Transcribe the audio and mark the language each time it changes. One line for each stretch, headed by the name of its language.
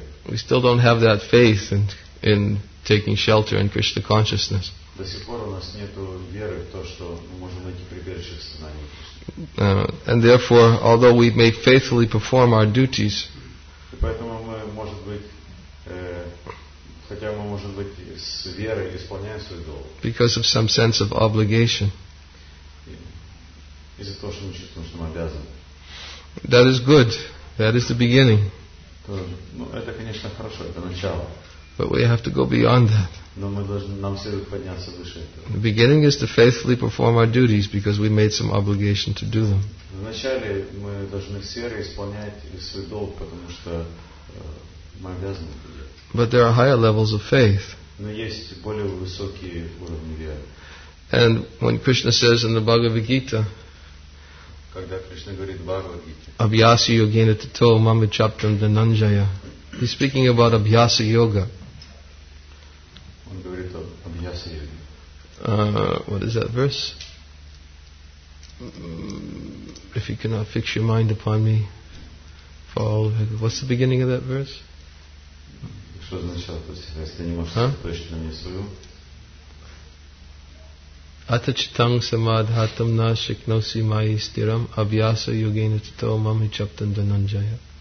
English: We still don't have that faith in taking shelter in Krishna consciousness.
Russian: До сих пор у нас нету веры в то, что мы можем найти прибежище в сознании.
English: And therefore, although we may faithfully perform our duties,
Russian: и поэтому мы, может быть, хотя мы, может быть, с верой исполняем свой долг.
English: Because of some sense of obligation.
Russian: Из-за того, что мы чувствуем, что мы обязаны.
English: That is good. That is the beginning.
Russian: Ну, это, конечно, хорошо, это начало.
English: But we have to go beyond that.
Russian: Но мы должны, нам следует подняться выше этого.
English: The beginning is to faithfully perform our duties because we made some obligation to do them.
Russian: Вначале мы должны с верой исполнять свой долг, потому что мы обязаны.
English: But there are higher levels of faith.
Russian: Но есть более высокие уровни веры.
English: And when Krishna says in the Bhagavad Gita,
Russian: когда Кришна говорит в Бхагавад Гите,
Sanskrit: Абьяса йогена тато мам чаптам дананджая.
English: He's speaking about Abhyasa Yoga.
Russian: Он говорит о Абьяса йоге.
English: What is that verse? If you cannot fix your mind upon me, follow. What's the beginning of that verse?
Russian: Что означает это? Если не можешь точно на мне свою.
Sanskrit: Атачитанг самадхатам нашикноси майи стирам абьяса йогена тато мами чаптан дананджая.